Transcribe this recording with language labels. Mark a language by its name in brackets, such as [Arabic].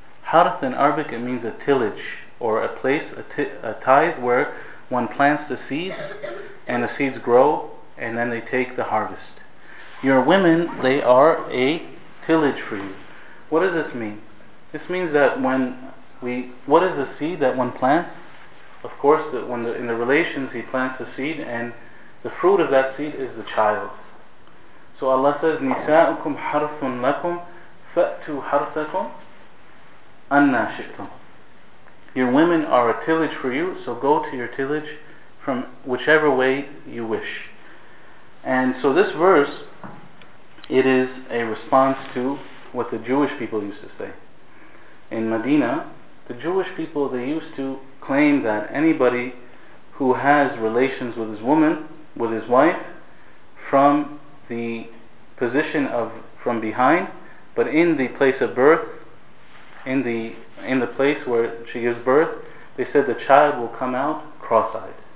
[English] Harath in Arabic, it means a tillage, or a place, a tithe where one plants the seeds, and the seeds grow, and then they take the harvest. Your women, they are a tillage for you. What does this mean? This means that what is the seed that one plants? Of course, that in the relations, he plants the seed, and the fruit of that seed is the child. [Arabic] So Allah says, نِسَاءُكُمْ حَرْثٌ لَكُمْ فَأْتُوا حَرْثَكُمْ أَنَّا شِئْتُمْ. [English] Your women are a tillage for you, so go to your tillage from whichever way you wish. And so this verse, it is a response to what the Jewish people used to say. In Medina, the Jewish people, they used to claim that anybody who has relations with his woman, with his wife, from the position of from behind, but in the place of birth, in the place where she gives birth, they said the child will come out cross-eyed.